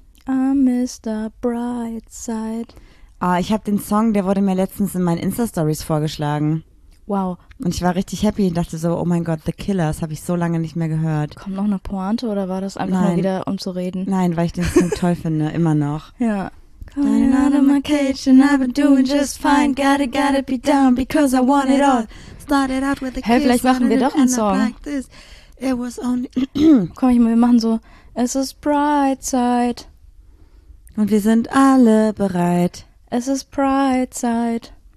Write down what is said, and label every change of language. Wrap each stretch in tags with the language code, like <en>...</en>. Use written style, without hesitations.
<de>Ah, Mr. Brightside. Ah, ich habe den Song, der wurde mir letztens in meinen Insta-Stories vorgeschlagen. Wow. Und ich war richtig happy und dachte so, oh mein Gott, The Killers, habe ich so lange nicht mehr gehört. Kommt noch eine Pointe oder war das einfach Nein. mal wieder, um zu reden? Nein, weil ich den Song toll finde, immer noch. Ja.</de> <en>Coming out of my cage and I've been doing just fine, gotta be down because I want it all. Started out with the kiss.</en> <de>Hey, vielleicht machen wir doch einen Song.</de> <en>Like it was only</en> <de>Komm, wir machen so, es ist Pride-Zeit. Und wir sind alle bereit. Es ist Pride-Zeit.</de>